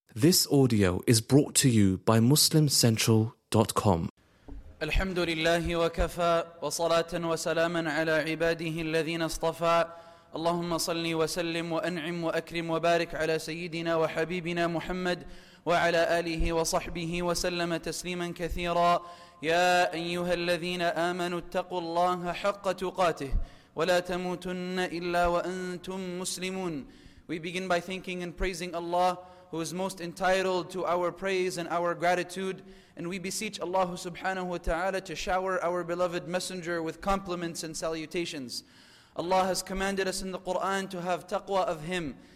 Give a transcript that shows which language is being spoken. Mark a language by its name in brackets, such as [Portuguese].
[English] This audio is brought to you by MuslimCentral.com. [Arabic] الحمد لله وكفى وصلاة وسلاما على عباده الذين اصطفى اللهم صلِّ وسلم وأنعم وأكرم وبارك على سيدنا وحبيبنا محمد وعلى آله وصحبه وسلم تسليما كثيرا. يا أيها الذين آمنوا اتقوا الله حق تقاته ولا تموتن إلا وأنتم مسلمون. [English] We begin by thanking and praising Allah, who is most entitled to our praise and our gratitude. And we beseech Allah subhanahu wa ta'ala to shower our beloved messenger with compliments and salutations. Allah has commanded us in the Quran to have taqwa of Him.